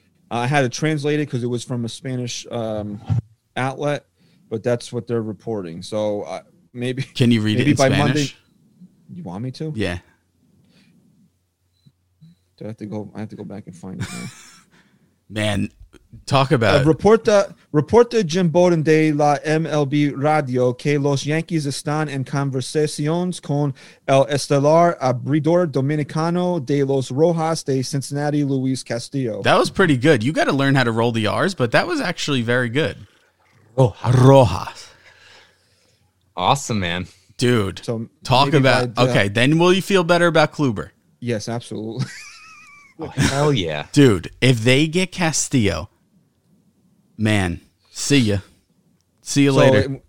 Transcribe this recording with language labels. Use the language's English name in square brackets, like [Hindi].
[English] I had to translate it because it was from a Spanish outlet, but that's what they're reporting. So maybe. Can you read it in Spanish? Maybe by Monday. You want me to? Yeah. I have to go back and find it. Man, talk about [Spanish] Reporta Jim Bowden de la MLB Radio que los Yankees están en conversaciones con el estelar abridor dominicano de los Rojas de Cincinnati, Luis Castillo. [English] That was pretty good. You got to learn how to roll the R's, but that was actually very good. Oh, Rojas. Awesome, man. Dude, so talk about... Okay, then will you feel better about Kluber? Yes, absolutely. Oh, hell yeah. Dude, if they get Castillo, man, see ya. See you later.